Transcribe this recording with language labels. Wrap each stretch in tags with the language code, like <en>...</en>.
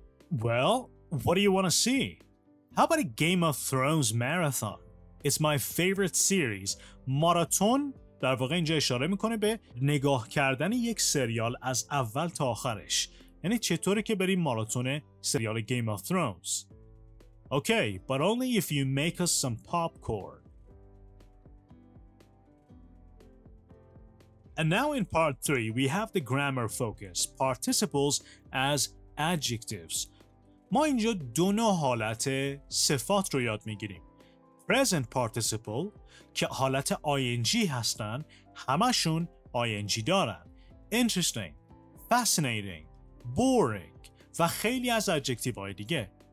<en>Well, what do you want to see? How about a Game of Thrones marathon? It's my favorite series.</en> <fa>ماراتون در واقع اینجا اشاره میکنه به نگاه کردن یک سریال از اول تا آخرش. یعنی چطوره که بریم ماراتون سریال Game of Thrones.</fa> <en>Okay, but only if you make us some popcorn. And now in part 3, we have the grammar focus, participles as adjectives.</en> <fa>ما اینجا دو نوع حالت صفات رو یاد میگیریم. Present participle که حالت ing هستن، همشون ing دارن.</fa> <en>Interesting, fascinating, boring</en> <fa>و خیلی از adjective های دیگه.</fa>